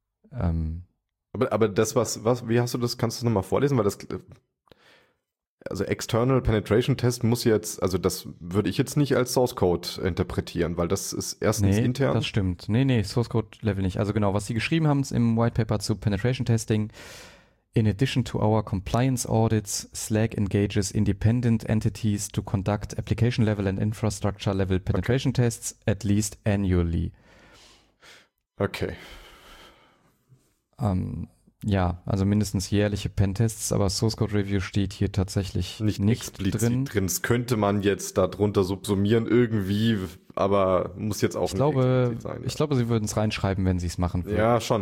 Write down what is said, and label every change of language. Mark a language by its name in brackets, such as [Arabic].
[German] Aber das, was, wie hast du das, kannst du das nochmal vorlesen? Weil das, also External Penetration Test muss jetzt, also das würde ich jetzt nicht als Source Code interpretieren, weil das ist erstens nee, intern. Nee, das stimmt. Nee, Source Code Level nicht. Also genau, was sie geschrieben haben im White Paper zu Penetration Testing. [English] In addition to our compliance audits, Slack engages independent entities to conduct application level and infrastructure level penetration tests at least annually. [German] Okay. Ja, also mindestens jährliche Pentests, aber Source Code Review steht hier tatsächlich nicht explizit drin. Das könnte man jetzt darunter subsumieren irgendwie, aber muss jetzt auch nicht sein. Ich glaube, sie würden es reinschreiben, wenn sie es machen würden. Ja, schon.